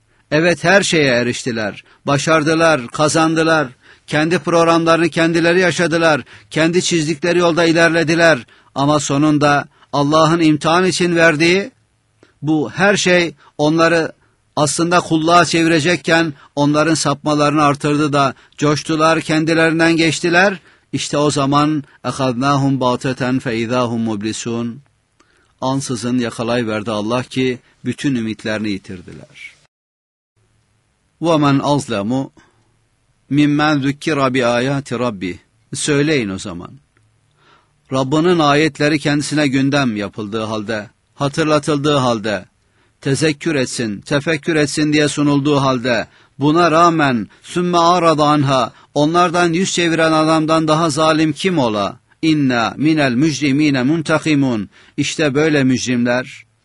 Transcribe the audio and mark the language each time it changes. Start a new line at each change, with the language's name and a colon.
Turkish: Evet, her şeye eriştiler, başardılar, kazandılar, kendi programlarını kendileri yaşadılar, kendi çizdikleri yolda ilerlediler ama sonunda Allah'ın imtihan için verdiği bu her şey onları aslında kulluğa çevirecekken onların sapmalarını artırdı da coştular, kendilerinden geçtiler. İşte o zaman
Arabic: اَخَذْنَاهُمْ بَاطَةً فَاِذَاهُمْ مُبْلِسُونَ
Turkish: Ansızın yakalayıverdi Allah ki bütün ümitlerini yitirdiler.
Arabic: وَمَنْ أَظْلَمُ مِمَّنْ ذُكِّرَ بِآيَاتِ رَبِّهِ
Turkish: Söyleyin o zaman. Rabbinin ayetleri kendisine gündem yapıldığı halde, hatırlatıldığı halde, tezekkür etsin, tefekkür etsin diye sunulduğu halde, buna rağmen,
Arabic: sümme arada anha,
Turkish: onlardan yüz çeviren adamdan daha zalim kim ola?
Arabic: İnna minel mücrimine muntakimun.
Turkish: İşte böyle mücrimler.